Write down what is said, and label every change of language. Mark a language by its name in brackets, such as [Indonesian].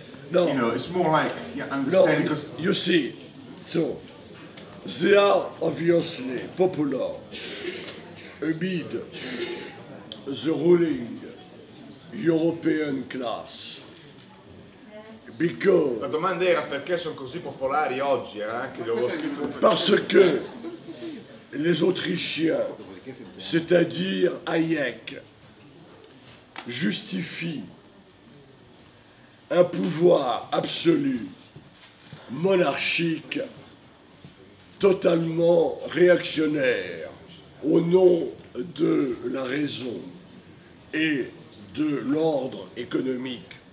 [English] No. You know, it's more like understanding because you see, so they are obviously popular amid the ruling European class. Because [Italian] la domanda era perché sono così popolari oggi, anche dove ho scritto. [French] Parce que les Autrichiens, c'est-à-dire Hayek, justifient un pouvoir absolu, monarchique, totalement réactionnaire, au nom de la raison et de l'ordre économique.